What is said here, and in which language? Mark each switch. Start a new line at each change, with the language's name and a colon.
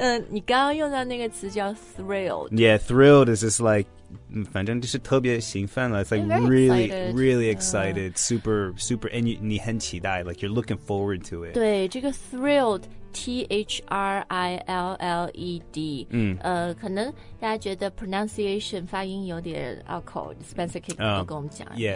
Chinese: 你刚刚用到那个词叫thrilled。
English: Yeah, thrilled is just like,
Chinese: 反正就是特别兴奋了。
English: It's like really, really excited. Super, super, and
Chinese: 你很期待,
English: like you're looking forward to it.
Chinese: 对,这个thrilled。T-H-R-I-L-L-E-D、可能大家觉得 pronunciation 发音有点拗口 Spencer can 跟我们讲